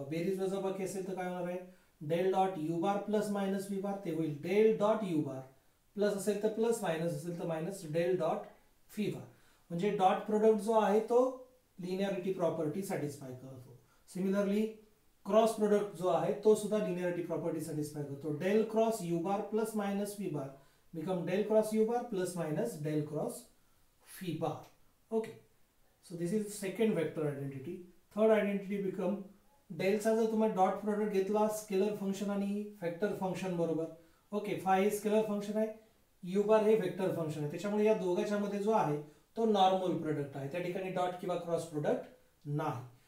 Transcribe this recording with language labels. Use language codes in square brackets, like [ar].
[mr] बघा, बेरीज वजाबाकी असेल तर काय होणार आहे, [en] del dot u bar plus minus v bar [mr] ते होईल डेल डॉट यू बार, प्लस असेल तर प्लस, मायनस असेल तर मायनस, डेल डॉट फी बार। म्हणजे डॉट प्रोडक्ट जो आहे तो लिनियरिटी प्रॉपर्टी सॅटिस्फाय करतो। सिमिलरली क्रॉस प्रोडक्ट जो आहे तो सुद्धा लिनियरिटी प्रॉपर्टी सॅटिस्फाय करतो। [en] Del cross u bar plus minus v bar become del cross u bar plus minus del cross phi bar, okay. So this is second vector identity. Third identity become [mr] डेलचा जर तुम्ही dot product घेतला scalar function आणि factor function बरोबर, okay, five हे scalar function आहे, you बार हे factor function आहे, त्याच्यामुळे या दोघांच्या मध्ये जो आहे तो नॉर्मल प्रोडक्ट आहे, त्या ठिकाणी डॉट किंवा क्रॉस प्रोडक्ट नाही।